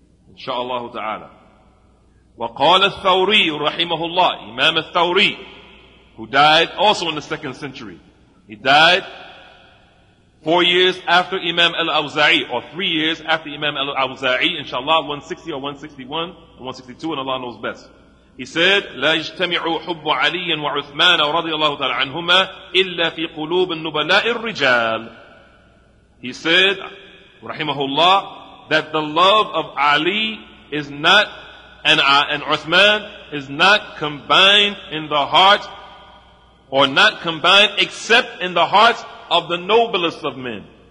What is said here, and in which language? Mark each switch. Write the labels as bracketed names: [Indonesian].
[Arabic] Inshallah ta'ala. وَقَالَ الثَّوْرِيُّ رَحِمَهُ اللَّهِ. [English] Imam al-Thawri, who died also in the second century. He died 4 years after Imam al-Awza'i, or 3 years after Imam al-Awza'i, inshallah, 160 or 161, and 162, and Allah knows best. He said, [Arabic] لا يجتمع حب علي وعثمان رضي الله تعالى عنهما إلا في قلوب النبلاء الرجال. [English] He said, rahimahullah, that the love of Ali is not, and Uthman is not combined in the heart, or not combined except in the hearts of the noblest of men.